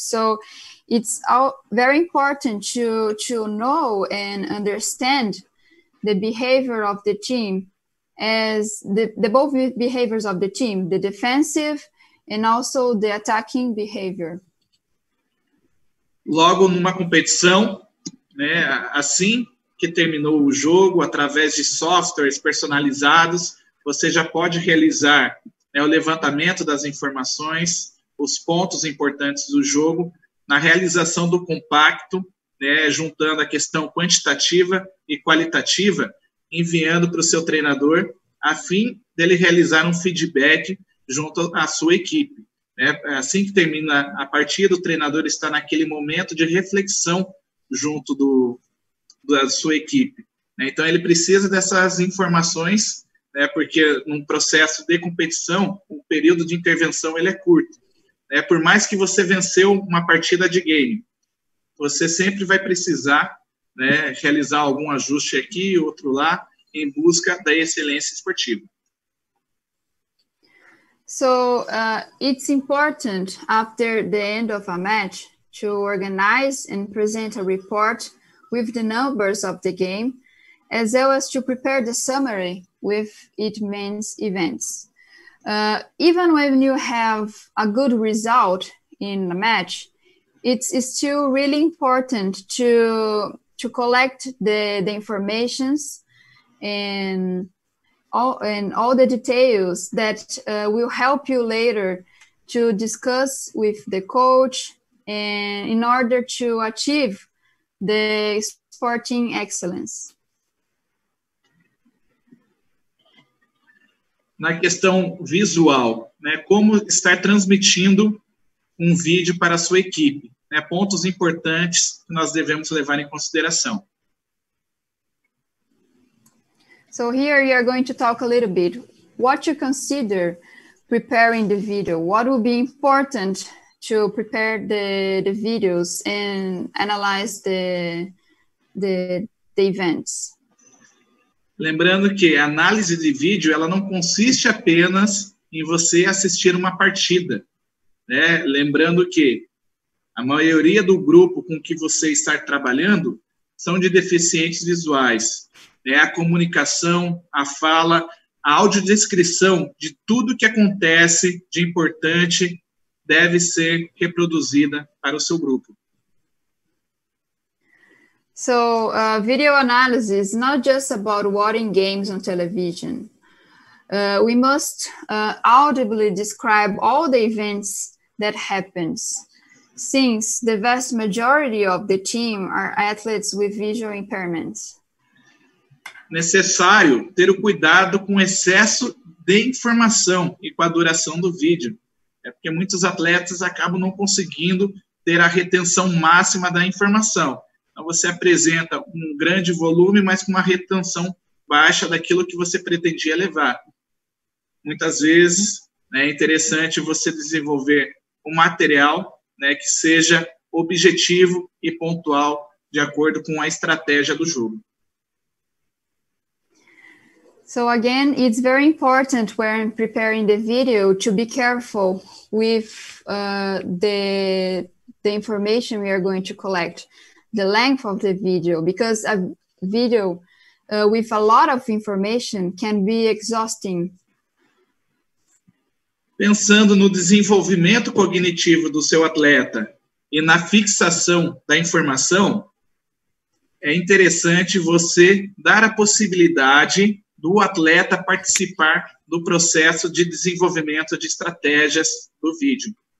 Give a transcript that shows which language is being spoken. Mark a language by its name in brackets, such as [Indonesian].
[English] So it's all very important to know and understand the behavior of the team as the both behaviors of the team, the defensive and also the attacking behavior. [Portuguese] Logo numa competição, né, assim que terminou o jogo, através de softwares personalizados, você já pode realizar, né, o levantamento das informações, os pontos importantes do jogo, na realização do compacto, né, juntando a questão quantitativa e qualitativa, enviando para o seu treinador, a fim dele realizar um feedback junto à sua equipe. Assim que termina a partida, o treinador está naquele momento de reflexão junto da sua equipe. Então, ele precisa dessas informações, porque num processo de competição, o período de intervenção ele é curto. Por mais que você venceu uma partida de game, você sempre vai precisar, né, realizar algum ajuste aqui, outro lá, em busca da excelência esportiva. [English] So, it's important after the end of a match to organize and present a report with the numbers of the game, as well as to prepare the summary with its main events. Even when you have a good result in a match, it's still really important to collect the informations and all the details that will help you later to discuss with the coach and in order to achieve the sporting excellence. [Portuguese] Na questão visual, né, como estar transmitindo um vídeo para a sua equipe? Né, pontos importantes que nós devemos levar em consideração. [English] So here you are going to talk a little bit. What you consider preparing the video? What will be important to prepare the videos and analyze the events? [Portuguese] Lembrando que a análise de vídeo, ela não consiste apenas em você assistir uma partida. Né? Lembrando que a maioria do grupo com que você está trabalhando são de deficientes visuais. É a comunicação, a fala, a audiodescrição de tudo que acontece de importante deve ser reproduzida para o seu grupo. [English] So, video analysis is not just about watching games on television. We must audibly describe all the events that happens. Since the vast majority of the team are athletes with visual impairments. [Portuguese] necessário ter o cuidado com o excesso de informação e com a duração do vídeo. É porque muitos atletas acabam não conseguindo ter a retenção máxima da informação. Então, você apresenta um grande volume, mas com uma retenção baixa daquilo que você pretendia levar. Muitas vezes, né, é interessante você desenvolver um material, né, que seja objetivo e pontual de acordo com a estratégia do jogo. [English] So again, it's very important when preparing the video to be careful with the information we are going to collect, the length of the video, because a video with a lot of information can be exhausting. [Portuguese] Pensando no desenvolvimento cognitivo do seu atleta e na fixação da informação, é interessante você dar a possibilidade do atleta participar do processo de desenvolvimento de estratégias do vídeo.